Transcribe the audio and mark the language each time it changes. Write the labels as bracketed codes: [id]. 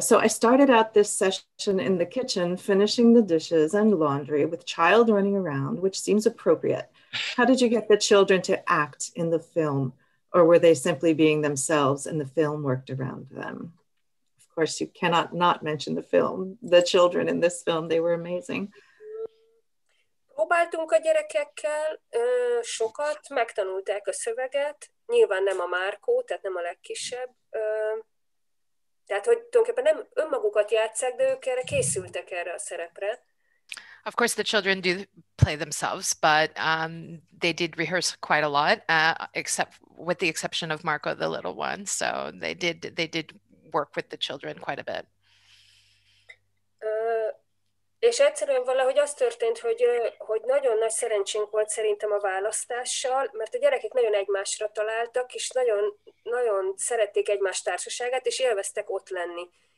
[en] So I started out this session in the kitchen, finishing the dishes and laundry with child running around, which seems appropriate. How did you get the children to act in the film? Or were they simply being themselves and the film worked around them? Of course, you cannot not mention the film. The children in this film, they were amazing. [hu] Próbáltunk a gyerekekkel, sokat, megtanulták a szöveget. Nyilván nem a Márkó, tehát nem a legkisebb. Tehát, hogy tulajdonképpen nem önmagukat játsszák, de ők erre készültek erre a szerepre. [en] Of course, the children do play themselves, but they did rehearse quite a lot, except with the exception of Marco, the little one. So they did work with the children quite a bit. [hu] És egyszerűen valahogy az történt, hogy nagyon nagy szerencsénk volt szerintem a választással, mert a gyerekek nagyon egymásra találtak, és nagyon, nagyon szerették egymás társaságát, és élveztek ott lenni.